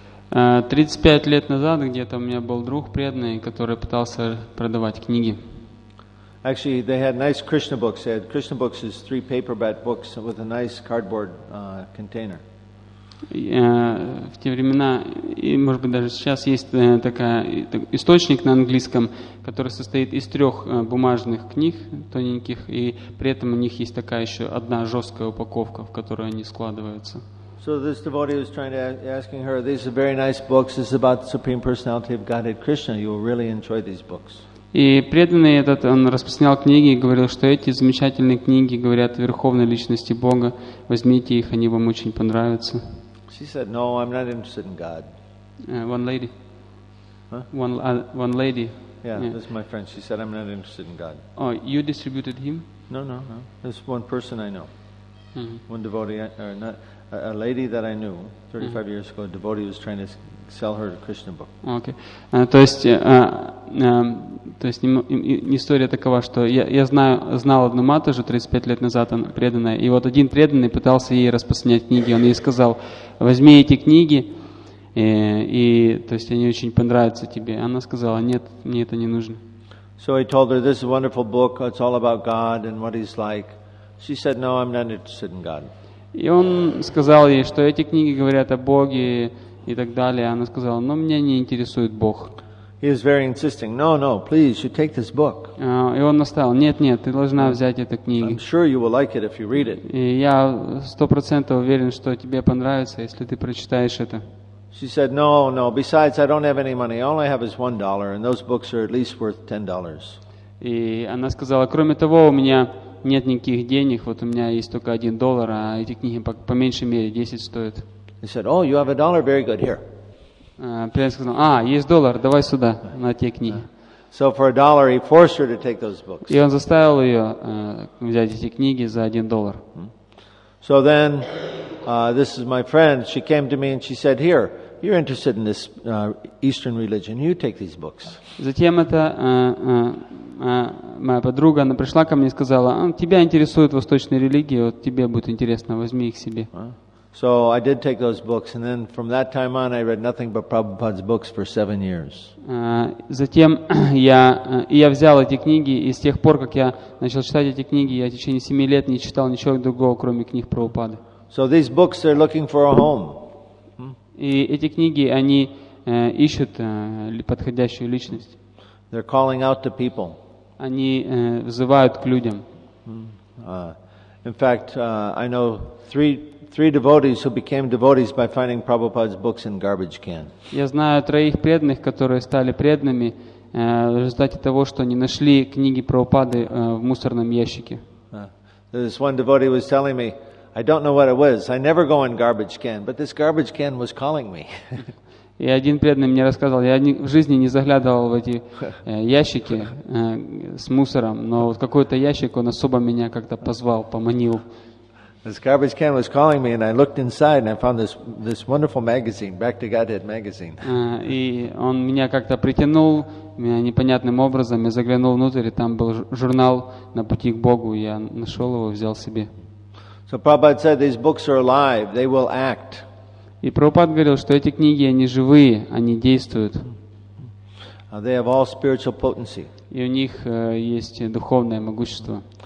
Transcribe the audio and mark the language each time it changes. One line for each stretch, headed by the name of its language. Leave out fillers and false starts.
Russian: 35 лет назад где-то у меня был друг преданный, который пытался продавать книги.
English: Actually, they had nice Krishna books. They had Krishna books is 3 paperback books with a nice cardboard container.
Russian: В те времена, и может быть даже сейчас, есть такая источник на английском, который состоит из 3 бумажных книг тоненьких, и при этом у них есть такая еще одна жесткая упаковка, в которую они складываются.
English: So this devotee was trying to asking her, these are very nice books, this is about the Supreme Personality of Godhead Krishna, you will really enjoy these books.
Russian: И преданный этот, он распространял книги и говорил, что эти замечательные книги говорят о Верховной Личности Бога. Возьмите их, они вам очень понравятся.
English: She said, no, I'm not interested in God. One lady. Huh? One lady. Yeah, this is my friend. She said, I'm not interested in God. Oh, you distributed him? No. There's one person I know. Mm-hmm. One devotee, or not, a lady that I knew 35 mm-hmm. years ago, a devotee was trying to sell her a Krishna book. Okay.
Russian: То есть, то есть история такова, что я знал одну матушу 35 лет назад, она преданная, и вот один преданный пытался ей распространять книги, он ей сказал, возьми эти книги, и то есть они очень понравятся тебе. Она сказала, нет, мне это не нужно.
English: So I told her, this is a wonderful book, it's all about God and what he's like. She said, no, I'm not interested in God.
Russian: И он сказал ей, что эти книги говорят о Боге и так далее. Она сказала, но меня не интересует Бог.
English: He was very insisting, no, no, please, you take this book.
Russian: И он настаивал, нет, нет, ты должна взять эту книгу.
English: I'm sure you will like it if you read it.
Russian: И я 100% уверен, что тебе понравится, если ты прочитаешь это.
English: She said, no, no, besides, I don't have any money. All I have is $1, and those books are at least worth $10.
Russian: И она сказала, кроме того, у меня нет никаких денег, вот у меня есть только $1, а эти книги по меньшей мере 10 стоят.
English: He said, oh, you have $1, very good, here.
Russian: Пленник сказал, а, есть доллар, давай сюда, на те книги.
English: So for $1, he forced her to take those books.
Russian: И он заставил ее взять эти книги за $1.
English: So then, this is my friend, she came to me and she said, here, you're interested in this Eastern religion, you take these books.
Russian: Затем это моя подруга, она пришла ко мне и сказала, тебя интересует восточная религия, вот тебе будет интересно, возьми их себе.
English: So I did take those books, and then from that time on, I read nothing but Prabhupada's books for 7 years.
Russian: Затем я взял эти книги, и с тех пор, как я начал читать эти книги, я в течение 7 лет не читал ничего другого, кроме книг Прабхупады.
English: So these books are looking for a home.
Russian: И эти книги они ищут подходящую личность.
English: They're calling out to people.
Russian: Они взывают к людям.
English: In fact, I know three devotees who became devotees by finding Prabhupada's books in garbage can.
Russian: Я знаю троих преданных, которые стали преданными в результате того, что они нашли книги Прабхупады в мусорном ящике.
English: This one devotee was telling me, I don't know what it was. I never go in garbage can, but this garbage can was calling me.
Russian: И один преданный мне рассказывал, я в жизни не заглядывал в эти ящики с мусором, но вот какой-то ящик он особо меня как-то позвал, поманил.
English: This garbage can was calling me, and I looked inside, and I found this wonderful magazine, Back to Godhead magazine.
Russian: И он меня как-то притянул непонятным образом, я заглянул внутрь, и там был журнал «На пути к Богу», я нашел его, взял себе.
English: So Prabhupada said, these books are alive, they will act.
Russian: И Прабхупада говорил, что эти книги, они живые, они действуют.
English: They have all spiritual potency.
Russian: И у них есть духовное могущество.